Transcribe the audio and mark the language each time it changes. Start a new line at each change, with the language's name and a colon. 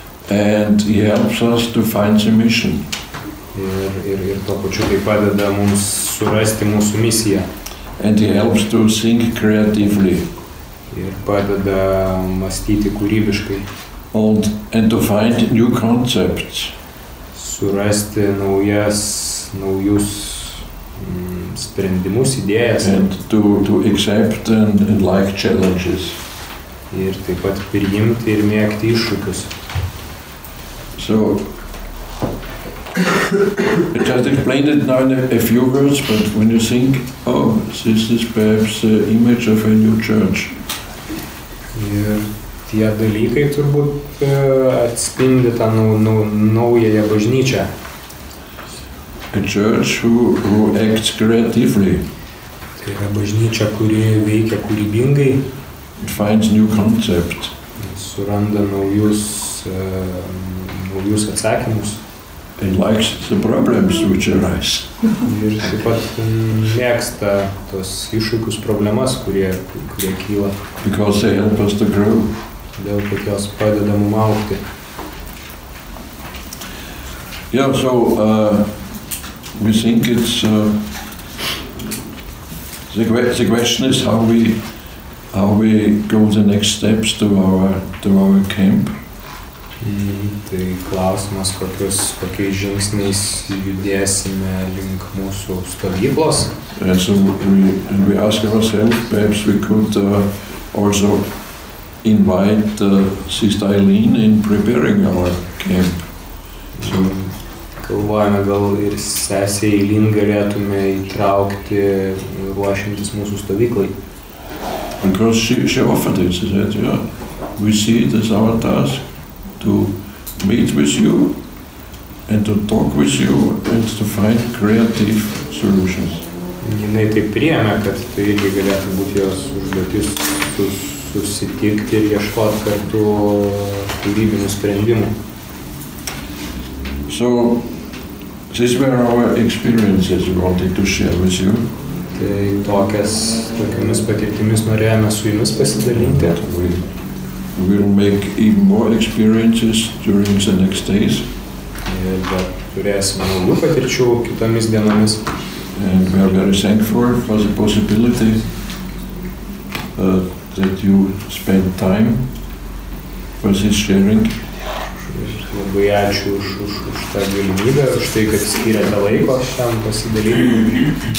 English: And he helps us to find the mission.
Lithuanian: Ir to pačiu tai padeda mums surasti mūsų misiją.
English: And he helps to think creatively.
Lithuanian: Ir padeda mąstyti kūrybiškai.
English: And to find new concepts.
Lithuanian: Surasti naujus sprendimus, idėjas.
English: And to accept and like challenges.
Lithuanian: Ir taip pat priimti ir mėgti iššūkius.
English: So, I just explained it now in a few words, but when you think, oh, this is perhaps the image of a new church.
Lithuanian: Ir tie dalykai turbūt atspindi tą naująją bažnyčią.
English: A church who acts creatively.
Lithuanian: Tai yra bažnyčia, kuri veikia kūrybingai.
English: It finds new concept.
Lithuanian: Suranda naujus atsakymus.
English: It likes the problems which arise.
Lithuanian: Ir taip pat mėgsta tos iššūkius, problemas, kurie kyla.
English: Because they help us to grow.
Lithuanian: Dėl kad jos padeda mums augti.
English: Yeah, so we think it's the question is how we go the next steps to our camp.
Lithuanian: Tai klausimas, kokiais žingsniais judėsime link mūsų stovyklos.
English: And so we ask ourselves, perhaps we could also invite Sister Eileen in preparing our camp.
Lithuanian: So, galvojame, gal ir sesė Eileen galėtume įtraukti ruošintis mūsų stovyklai.
English: Because she offered it, she said, yeah, we see it as our task. To meet with you and to talk with you and to find creative solutions.
Lithuanian: Jinai taip priėmė, kad tai irgi galėtų būti jos užduotis susitikti ir ieškoti kartu kūrybinių sprendimų.
English: So, these were our experiences we wanted to share with you.
Lithuanian: Tai tokiomis patirtimis norėjome su jumis pasidalinti.
English: We will make even more experiences during the next days.
Lithuanian: Bet turėsime naujų patirčių kitomis dienomis.
English: And we are very thankful for the possibility that you spend time for this sharing.
Lithuanian: Labai ačiū už tą galimybę, už tai, kad skyrėte laiko šiam pasidalinimui.